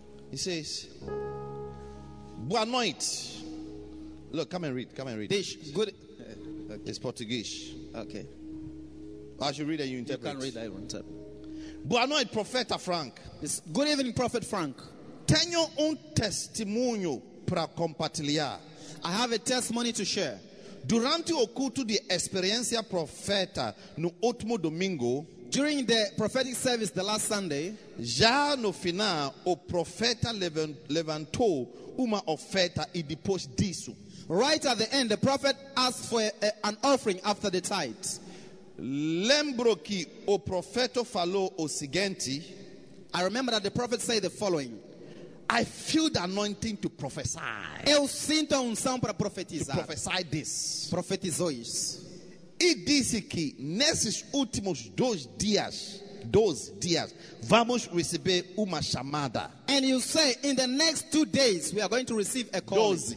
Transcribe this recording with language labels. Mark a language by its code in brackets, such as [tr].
[en] He says, [pt] boa noite. [en] Look, come and read. Come and read. Dish. Good. Okay. It's Portuguese. Okay. I should read and you interpret. You can read, I will interpret. [pt] Boa noite, Prophet Frank. [en] It's good evening, Prophet Frank. [pt] Tenho testemunho para compartilhar. [en] I have a testimony to share. [pt] Durante o culto de experiência profeta no último domingo, [en] during the prophetic service the last Sunday, [pt] já no final o profeta levantou uma oferta e depois disso. [en] Right at the end, the prophet asked for an offering after the tithe. [pt] Lembro que o profeta falou o seguinte. [en] I remember that the prophet said the following. I feel the anointing to prophesy. [pt] Eu sinto a unção para profetizar. [en] To prophesy this. [pt] Profetizou isso. E disse que nesses últimos dois dias, vamos receber uma chamada. [en] And you say, in the next 2 days, we are going to receive a call.